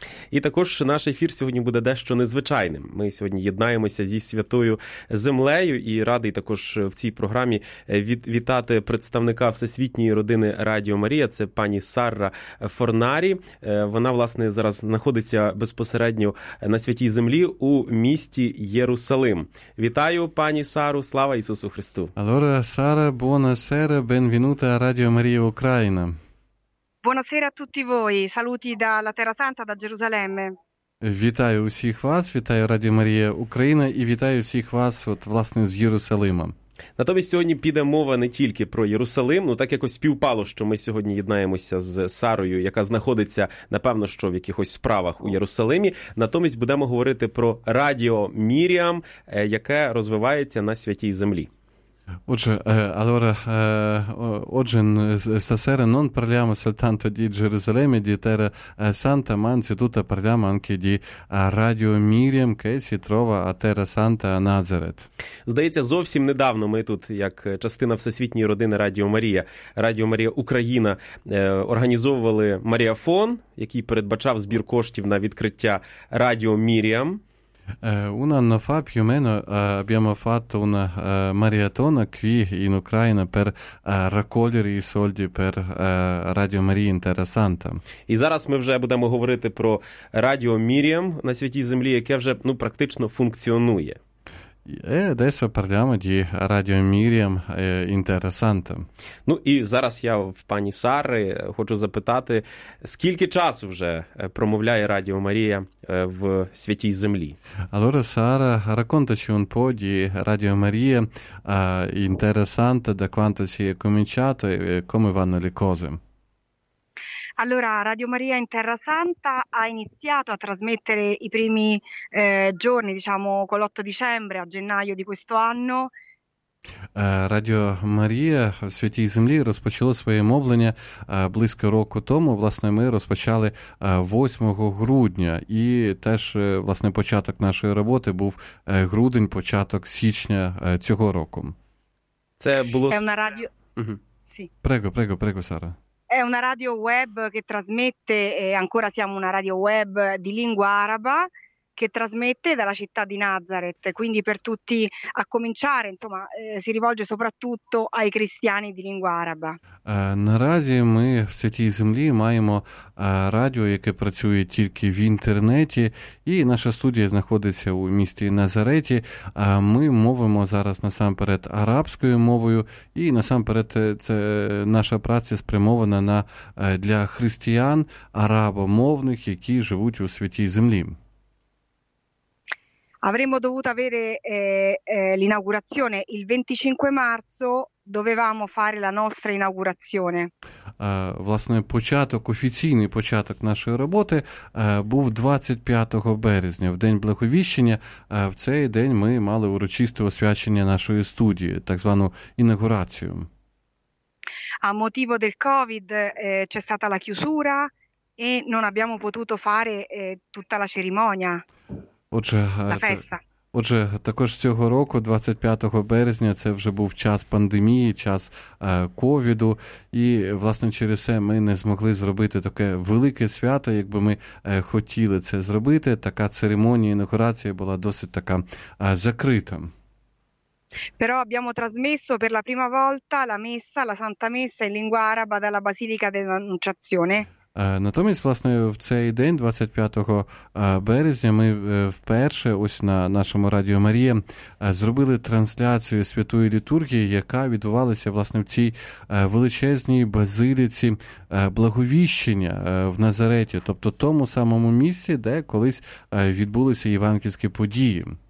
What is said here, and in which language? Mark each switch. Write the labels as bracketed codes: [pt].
[uk] І також наш ефір сьогодні буде дещо незвичайним. Ми сьогодні єднаємося зі Святою Землею і радий також в цій програмі вітати представника Всесвітньої родини Радіо Марія, це пані Сарра Форнарі. Вона, власне, зараз знаходиться безпосередньо на Святій Землі у місті Єрусалим. Вітаю, пані Сару, слава Ісусу Христу! [it] Алора, Сара, бона сера, бенвінута Радіо Марія Україна! Buonasera a tutti voi, saluti dalla Terra Santa, da Gerusalemme. [uk] Вітаю усіх вас, вітаю Радіо Марія Україна і вітаю всіх вас, от, власне, з Єрусалима. Натомість сьогодні піде мова не тільки про Єрусалим, ну так якось співпало, що ми сьогодні єднаємося з Сарою, яка знаходиться, напевно, що в якихось справах у Єрусалимі. Натомість будемо говорити про Радіо Міріам, яке розвивається на Святій Землі. Отже, [it] allora, [uk] отже, [it] stasera non parliamo soltanto di Gerusalemme, di Terra Santa, ma anzitutto parliamo anche di Radio Miriam, che si trova a Terra Santa a Nazaret. [uk] Здається, зовсім недавно ми тут, як частина Всесвітньої родини Радіо Марія, Радіо Марія Україна, організовували Маріафон, який передбачав збір коштів на відкриття Радіо Міріам. [it] Un anno fa più o meno abbiamo fatto una maratona qui in Ucraina per raccogliere i soldi per Radio Maria in Terra Santa. [uk] І зараз ми вже будемо говорити про Радіо Міріам на Святій Землі, яке вже, ну, практично функціонує. [it] E adesso parliamo di Radio Miriam in Terra Santa. [uk] Ну і зараз я в пані Сари хочу запитати, скільки часу вже промовляє Радіо Марія в Святій Землі? [it] Allora Sara, raccontaci un po' di Radio Maria in Terra Santa, da quanto si è cominciato e come vanno le cose? Allora, Radio Maria in Terra Santa ha iniziato a trasmettere i primi giorni, diciamo con l'8 dicembre a gennaio di questo anno. [uk] Radio Maria в Святій Землі розпочало своє мовлення близько року тому. Власне, ми розпочали 8 грудня. І теж, власне, початок нашої роботи був грудень, початок січня цього року. Це було... [it] È una radio... Sì. Prego, prego, prego, Sara. È una radio web che trasmette, e ancora siamo una radio web di lingua araba, che trasmette dalla città di Nazaret. Quindi per tutti, a cominciare, insomma, si rivolge soprattutto ai cristiani di lingua araba. [uk] Наразі ми в Святій Землі маємо радіо, яке працює тільки в інтернеті, і наша студія знаходиться у місті Назареті. Ми мовимо зараз насамперед арабською мовою, і насамперед це наша праця спрямована на для християн арабомовних, які живуть у Святій Землі. [it] Avremmo dovuto avere l'inaugurazione il 25 marzo, dovevamo fare la nostra inaugurazione. [uk] Власне, початок, офіційний початок нашої роботи був 25 березня, в День Благовіщення. В цей день ми мали урочисте освячення нашої студії, так звану інаугурацію. [it] A motivo del Covid c'è stata la chiusura e non abbiamo potuto fare tutta la cerimonia. [uk] Отже, також цього року, 25 березня, це вже був час пандемії, час ковіду, і, власне, через це ми не змогли зробити таке велике свято, якби ми хотіли це зробити. Така церемонія, інаугурація була досить така закрита. [it] Però abbiamo trasmesso per la prima volta la messa, la Santa Messa in lingua araba dalla Basilica dell'Annunciazione. [uk] Натомість, власне, в цей день, 25 березня, ми вперше ось на нашому Радіо Марія зробили трансляцію Святої Літургії, яка відбувалася, власне, в цій величезній базиліці Благовіщення в Назареті, тобто тому самому місці, де колись відбулися євангельські події.